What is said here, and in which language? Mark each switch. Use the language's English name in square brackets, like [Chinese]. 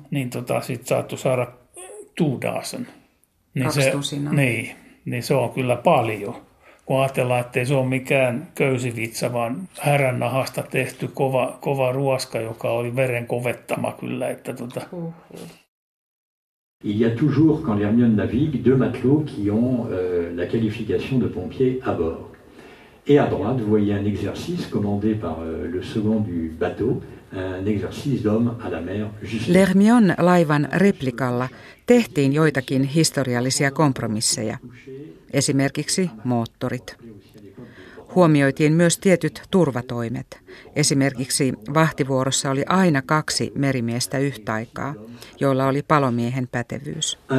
[Finnish] Niin sitten saattoi saada tuudaasen. Niin kaksi tusinaa. Niin se on kyllä paljon. Kun ajatellaan, ettei se ole mikään köysivitsa, vaan häränahasta tehty kova ruoska, joka oli veren kovettama kyllä. Että [French] Il y a toujours, quand l'Hermione navigue, deux matelots qui ont la qualification de pompier à bord. Et à droite, vous voyez un exercice commandé par le second du bateau, un exercice d'homme à la mer. [Finnish] L'Hermione laivan replikalla tehtiin joitakin historiallisia kompromisseja, esimerkiksi moottorit. Huomioitiin myös tietyt turvatoimet. Esimerkiksi vahtivuorossa oli aina kaksi merimiestä yhtä aikaa, joilla oli palomiehen pätevyys.